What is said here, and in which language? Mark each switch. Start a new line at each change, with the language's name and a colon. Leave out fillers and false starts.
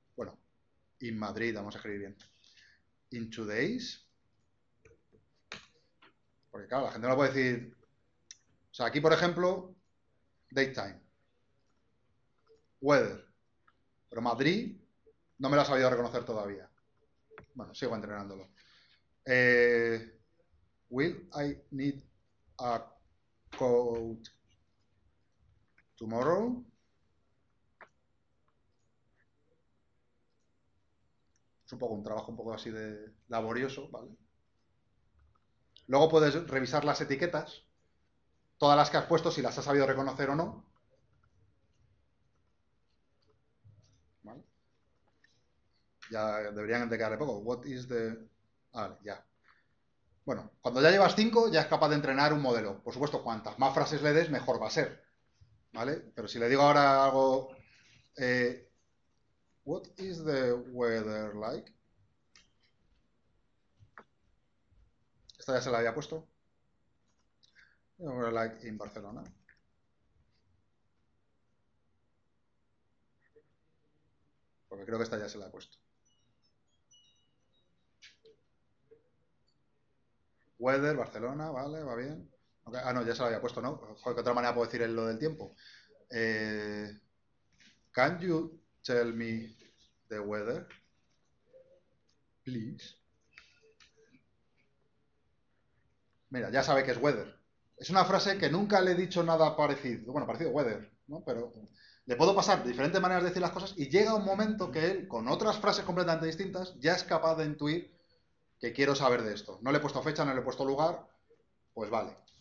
Spanish: Bueno,
English: in Madrid,
Spanish: vamos a escribir bien.
English: In 2 days.
Spanish: Porque claro, la gente no lo puede decir. O sea, aquí por ejemplo, daytime. Weather. Pero Madrid no me lo ha sabido reconocer todavía. Bueno, sigo entrenándolo.
English: Will I need a coat tomorrow?
Spanish: Es un poco un trabajo un poco así de laborioso, ¿vale? Luego puedes revisar las etiquetas, todas las que has puesto, si las has sabido reconocer o no. Ya deberían de quedarle poco.
English: What is the...
Spanish: Vale, ya. Bueno, cuando ya llevas 5, ya es capaz de entrenar un modelo. Por supuesto, cuantas más frases le des, mejor va a ser. ¿Vale? Pero si le digo ahora algo...
English: What is the weather like?
Spanish: Esta ya se la había puesto.
English: The weather like in Barcelona.
Spanish: Porque creo que esta ya se la he puesto. Weather, Barcelona, vale, va bien.
English: Okay.
Spanish: Ah, no, ya se la había puesto, ¿no? Joder, ¿qué otra manera puedo decir lo del tiempo?
English: Can you tell me the weather, please?
Spanish: Mira, ya sabe que es weather. Es una frase que nunca le he dicho nada parecido. Bueno, parecido weather, ¿no? Pero le puedo pasar diferentes maneras de decir las cosas y llega un momento que él, con otras frases completamente distintas, ya es capaz de intuir que quiero saber de esto. No le he puesto fecha, no le he puesto lugar, pues vale.